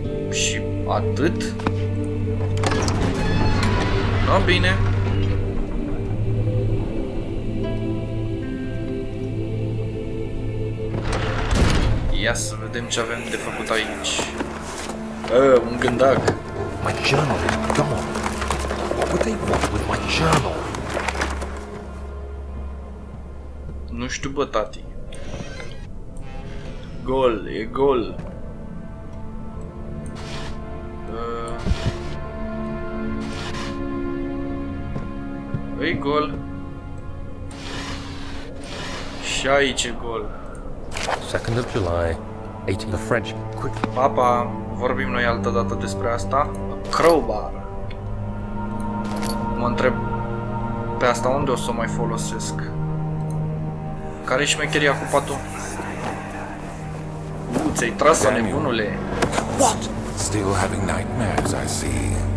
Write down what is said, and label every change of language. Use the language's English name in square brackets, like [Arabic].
[Romanian] Și atât? No, bine. Ia să vedem ce avem de făcut aici. Un gândac. [English] My journal, come on. What would they want with my journal? [Romanian] Nu știu, bă, tati. Gol, e gol. E gol. Și aici e gol. [English] 2nd of July, 18th of French. Quick. [Romanian] Papa, vorbim noi altă dată despre asta. [English] Crowbar. [Romanian] Mă întreb pe asta unde o să o mai folosesc. Care-i șmecheria cu patul? Ți-ai tras-o, nebunule! [English] What? Still having nightmares, I see.